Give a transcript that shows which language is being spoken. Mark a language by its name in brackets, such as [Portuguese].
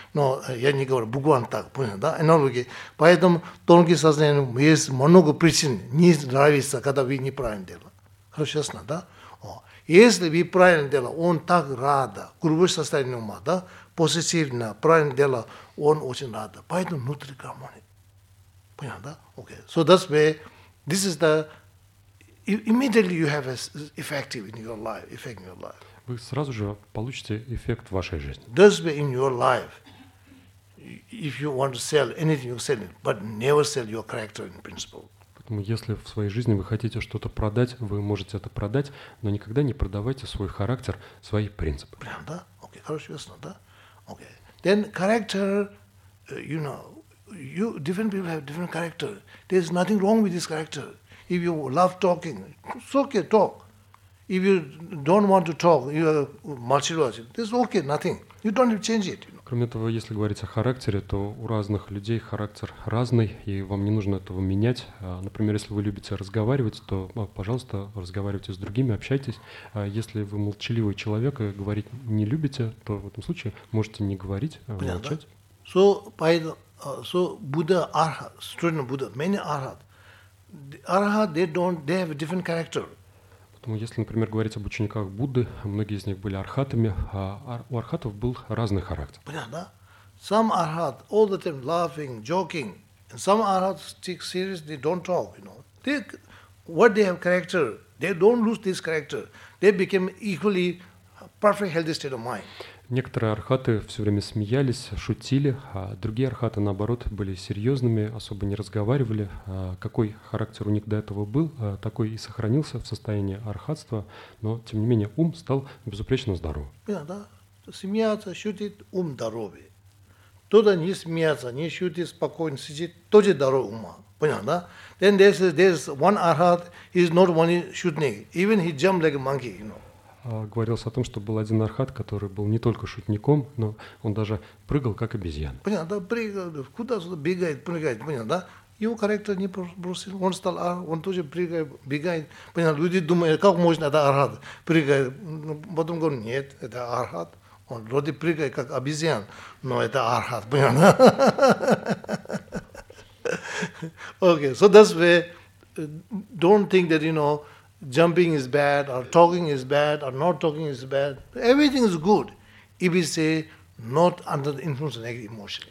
[Russian] Но я не говорю буквально так, понял, да, аналогии. Поэтому тонкие сознания, есть много причин не нравится, когда вы неправильно делаете. Хорошо, честно, да? Если вы правильно делаете, он так рада, грубое состояние ума, да, позитивно, правильно делаете, он очень рада. Поэтому внутри гармонии. Понял, да? [English] Okay. So that's where, this is the, immediately you have effective in your life, effect in your life. [Russian] Вы сразу же получите эффект в вашей жизни. [English] That's why in your life, if you want to sell anything, you sell it, but never sell your character and principle. [Russian] Поэтому, если в своей жизни вы хотите что-то продать, вы можете это продать, но никогда не продавайте свой характер, свои принципы. Прям, да? Окей, хорошо, ясно, да? Окей. [English] Then character, you know, you different people have different character. There's nothing wrong with this character. If you love talking, it's okay, talk. If you don't want to talk, you are materialistic. This is okay, nothing. You don't have to change it. [Russian] Кроме того, если говорить о характере, то у разных людей характер разный, и вам не нужно этого менять. Например, если вы любите разговаривать, то, пожалуйста, разговаривайте с другими, общайтесь. Если вы молчаливый человек и говорить не любите, то в этом случае можете не говорить, а молчать. [English] So, so Buddha, Arhat, student Buddha, many Arhat. Arhat, they have a different character. [Russian] Если, например, говорить об учениках Будды, многие из них были архатами, а у архатов был разный характер. Понятно? [English] Some arhat all the time laughing, joking, and some arhat take seriously, don't talk. You know, they, what they have character, they don't lose this character. They became equally perfect healthy state of mind. [Russian] Некоторые архаты все время смеялись, шутили, а другие архаты, наоборот, были серьезными, особо не разговаривали. Какой характер у них до этого был, такой и сохранился в состоянии архатства, но, тем не менее, ум стал безупречно здоров. Да, да. Смеяться, шутить, ум здоровый. Кто-то не смеяться, не шутит, спокойно сидит, тоже здоровый ума. Понятно, да? [English] Then there's one архат, he's not one shooting, even he jumped like a monkey, you know. [Russian] Говорилось о том, что был один архат, который был не только шутником, но он даже прыгал, как обезьяна. Понятно, да, прыгал, куда-сюда бегает, прыгает, понятно, да? Его характер не бросил, он стал архат, он тоже прыгает, бегает. Понятно, люди думают, как можно, это архат, прыгает. Потом говорят, нет, это архат, он вроде прыгает, как обезьян, но это архат, понятно? [English] Okay, so that's why, don't think that, you know, jumping is bad, or talking is bad, or not talking is bad. Everything is good if we say not under the influence of negative emotion.